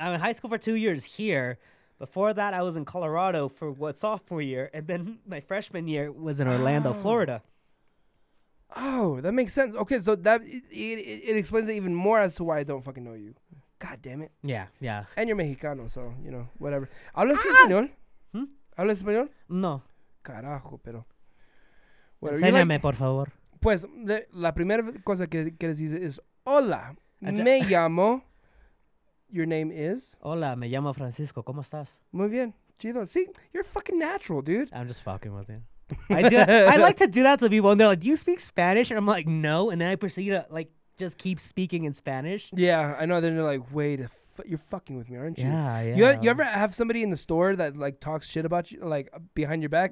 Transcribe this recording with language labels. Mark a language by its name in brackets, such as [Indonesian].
[English] I was in high school for 2 years here. Before that, I was in Colorado for what, sophomore year? And then my freshman year was in Orlando, Florida. Oh, that makes sense. Okay, so that it explains it even more as to why I don't fucking know you. God damn it. Yeah. And you're Mexicano, so, you know, whatever. [Spanish] ¿Hablas español? ¿Hablas español? No. Carajo, pero. Bueno, enséñame, por favor. Pues, la primera cosa que quieres decir es, hola, me llamo, [English] your name is? [Spanish] Hola, me llamo Francisco, ¿cómo estás? Muy bien, chido. [English] See, you're fucking natural, dude. I'm just fucking with you. I like to do that to people, and they're like, do you speak Spanish? And I'm like, no, and then I proceed to, like, just keep speaking in Spanish. Yeah, I know, then they're like, wait, you're fucking with me, aren't you? Yeah. You ever have somebody in the store that, like, talks shit about you, like, behind your back?